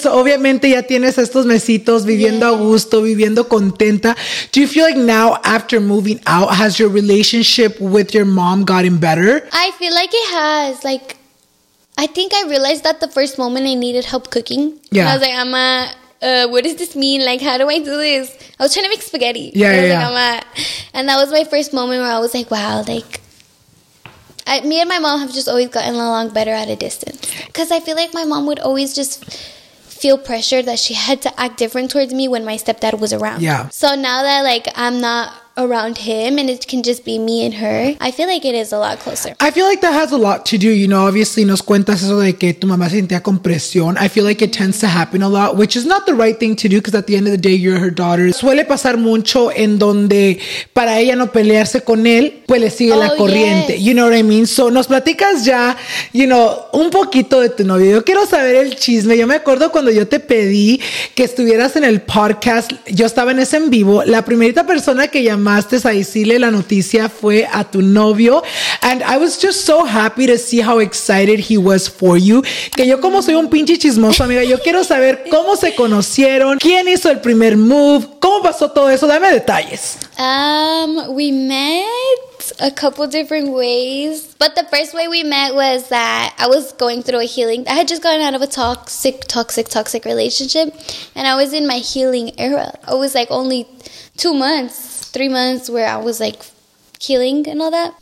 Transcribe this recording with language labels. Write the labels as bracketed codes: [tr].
[es] So obviamente ya tienes estos mesitos viviendo a gusto, viviendo contenta. [en] Do you feel like now after moving out, has your relationship with your mom gotten better? I feel like it has. Like, I think I realized that the first moment I needed help cooking. Yeah. I was like, Ama, what does this mean? Like, how do I do this? I was trying to make spaghetti. Yeah, I was yeah. Like, Ama. And that was my first moment where I was like, wow, like, me and my mom have just always gotten along better at a distance. Because I feel like my mom would always just feel pressured that she had to act different towards me when my stepdad was around. Yeah. So now that, like, I'm not around him and it can just be me and her, I feel like it is a lot closer. I feel like that has a lot to do, you know, obviously [es] nos cuentas eso de que tu mamá sentía compresión. [en] I feel like it tends to happen a lot, which is not the right thing to do, because at the end of the day, you're her daughter. [es] Suele pasar mucho en donde para ella no pelearse con él, pues le sigue la corriente. [en] Yes. You know what I mean? So [es] nos platicas ya, [en] you know, [es] un poquito de tu novio. Yo quiero saber el chisme. Yo me acuerdo cuando yo te pedí que estuvieras en el podcast, yo estaba en ese en vivo, la primerita persona que llamó a decirle la noticia fue a tu novio, [en] and I was just so happy to see how excited he was for you. [es] Que yo, como soy un pinche chismoso, amiga, yo quiero saber cómo se conocieron, quién hizo el primer move, cómo pasó todo eso. Dame detalles. [en] We met a couple different ways, but the first way we met was that I was going through a healing. I had just gotten out of a toxic relationship, and I was in my healing era. I was like only 2 months, 3 months where I was like healing and all that.